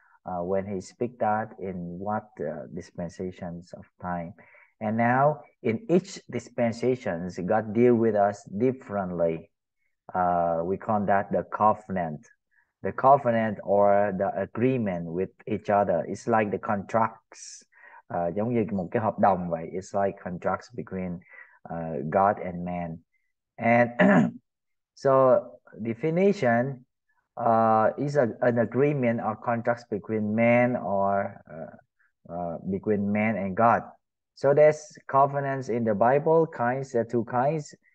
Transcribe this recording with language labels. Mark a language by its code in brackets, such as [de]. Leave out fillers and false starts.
[en] When he speak that, in what dispensations of time? And now in each dispensations, God deal with us differently. We call that the covenant or the agreement with each other. It's like the contracts, [vi] giống như một cái hợp đồng vậy. [en] It's like contracts between God and man. And so definition is an agreement or contracts between man or between man and God. So there's covenants in the Bible, kinds, there are two kinds.